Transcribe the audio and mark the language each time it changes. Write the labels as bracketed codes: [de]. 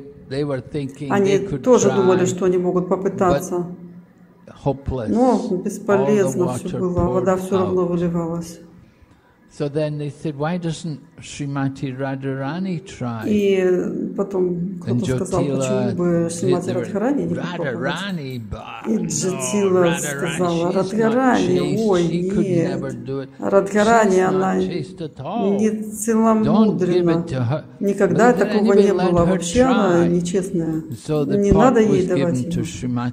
[ru] они тоже думали, что они могут попытаться. Но бесполезно все было, вода все равно выливалась. [en] So then they said, why doesn't Shrimati Radharani try? [ru] И потом кто-то сказал, почему бы Шримати Радхарани не Радхарани, попробовать? И Джатила сказала, Радхарани, ой, нет, Радхарани, она не целомудрена, никогда такого не было, вообще она нечестная, не надо ей давать ему.